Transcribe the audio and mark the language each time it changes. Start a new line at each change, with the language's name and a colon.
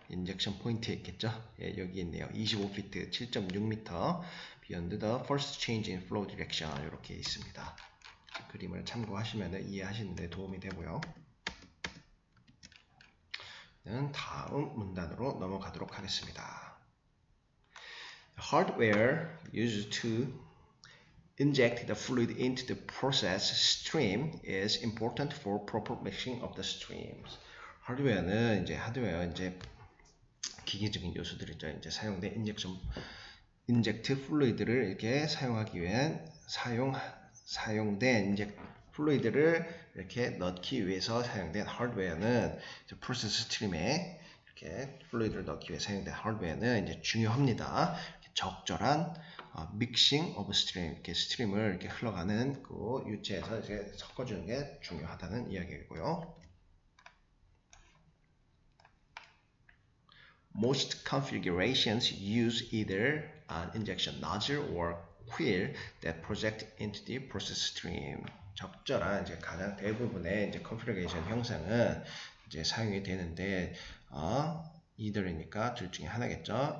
Korean: 인젝션 포인트 있겠죠? 예, 여기 있네요. 25피트 7.6m
English: beyond the first change in flow direction
Korean: 이렇게 있습니다. 그림을 참고하시면 이해하시는데 도움이 되고요. 다음 문단으로 넘어가도록 하겠습니다.
English: Hardware used to inject the fluid into the process stream is important for proper mixing of the streams.
Korean: 하드웨어는 이제 하드웨어 이제 기계적인 요소들이죠. 이제 사용된 인젝트 플루이드를 이렇게 사용된 플루이드를 이렇게 넣기 위해서 사용된 하드웨어는 이제 프로세스 스트림에 이렇게 플루이드를 넣기 위해 사용된 하드웨어는 이제 중요합니다. 적절한 믹싱 오브 스트림, 이렇게 스트림을 이렇게 흘러가는 그 유체에서 이제 섞어주는 게 중요하다는 이야기이고요.
English: Most configurations use either an injection nozzle or quill that project into the process stream.
Korean: 적절한 이제 가장 대부분의 이제 컨피그레이션 형상은 이제 사용이 되는데 either이니까 둘 중에 하나겠죠.